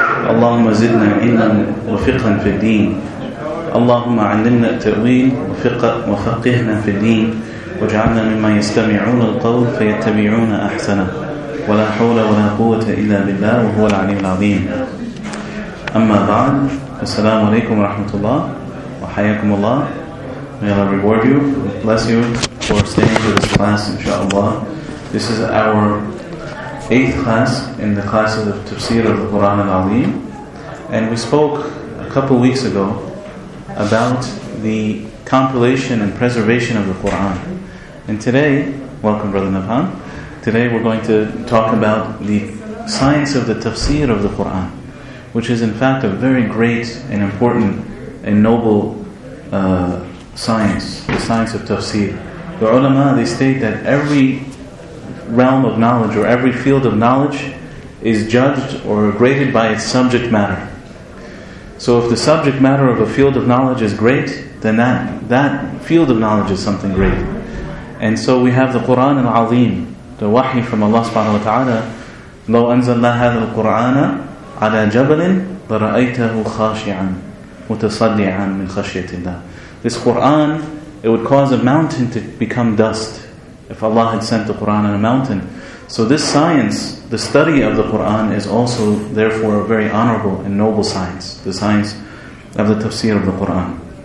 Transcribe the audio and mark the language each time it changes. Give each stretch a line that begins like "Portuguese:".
Arabic: اللهم زدنا علما وفقا في الدين، اللهم علمنا التأويل وفقهنا في الدين، واجعلنا ممن يستمعون القول فيتبعون أحسنه، ولا حول ولا قوة إلا بالله وهو العلي العظيم. أما بعد، السلام عليكم ورحمة الله وحياكم الله.
English: May Allah reward you and bless you for staying to this class, inshaAllah. This is our 8th class in the class of the Tafsir of the Quran al-Azim. And we spoke a couple weeks ago about the compilation and preservation of the Quran. And today, welcome Brother Nafhan. Today we're going to talk about the science of the Tafsir of the Quran, which is in fact a very great and important and noble science, the science of Tafsir. The ulama, they state that every realm of knowledge or every field of knowledge is judged or graded by its subject matter. So if the subject matter of a field of knowledge is great, then that field of knowledge is something great. And so we have the Qur'an al-Azim, the wahi from Allah subhanahu wa ta'ala.
Arabic: لو أنزلنا هذا القرآن على جبل لرأيته خاشعا متصدعا من خشية الله.
English: This Qur'an, it would cause a mountain to become dust if Allah had sent the Qur'an on a mountain. So this science, the study of the Qur'an, is also therefore a very honorable and noble science, the science of the tafsir of the Qur'an.